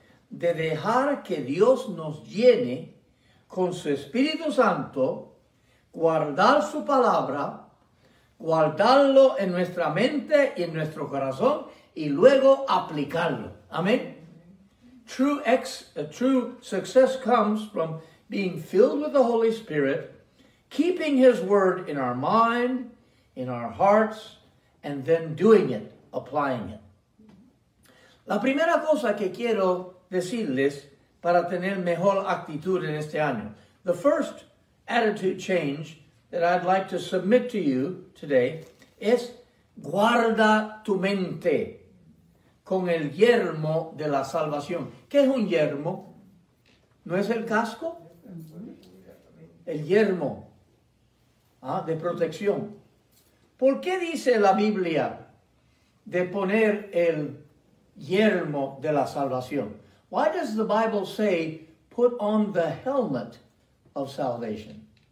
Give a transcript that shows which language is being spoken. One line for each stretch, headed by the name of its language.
Spanish: De dejar que Dios nos llene con su Espíritu Santo, guardar su palabra, guardarlo en nuestra mente y en nuestro corazón, y luego aplicarlo. Amén.
English: True success comes from being filled with the Holy Spirit, keeping His word in our mind, in our hearts, and then doing it, applying it.
Spanish: La primera cosa que quiero decirles para tener mejor actitud en este año.
English: The first attitude change that I'd like to submit to you today is
Spanish: guarda tu mente con el yermo de la salvación. ¿Qué es un yermo? ¿No es el casco? El yermo de protección. ¿Por qué dice la Biblia de poner el yermo de la salvación?
English: Why does the Bible say, put on the helmet of salvation?